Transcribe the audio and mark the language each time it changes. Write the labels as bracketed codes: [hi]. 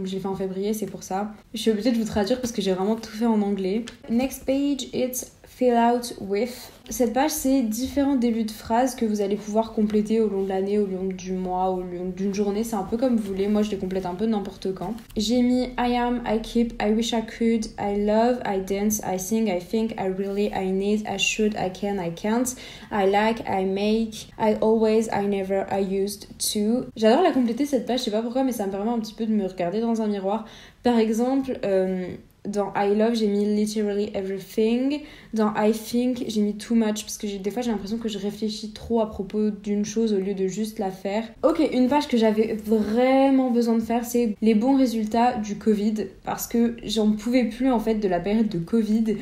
[fr] Donc j'ai fait en février, c'est pour ça. Je suis obligée de vous traduire parce que j'ai vraiment tout fait en anglais. [en] Next page, it's Fill out with. [fr] Cette page, c'est différents débuts de phrases que vous allez pouvoir compléter au long de l'année, au long du mois, au long d'une journée. C'est un peu comme vous voulez. Moi, je les complète un peu n'importe quand. J'ai mis [en] I am, I keep, I wish I could, I love, I dance, I sing, I think, I really, I need, I should, I can, I can't, I like, I make, I always, I never, I used to. [fr] J'adore la compléter, cette page. Je sais pas pourquoi, mais ça me permet un petit peu de me regarder dans un miroir. Par exemple, dans I love, j'ai mis [en] literally everything. [fr] Dans I think, j'ai mis [en] too much [fr] parce que des fois j'ai l'impression que je réfléchis trop à propos d'une chose au lieu de juste la faire. Ok, une page que j'avais vraiment besoin de faire, c'est les bons résultats du Covid parce que j'en pouvais plus en fait de la période de Covid.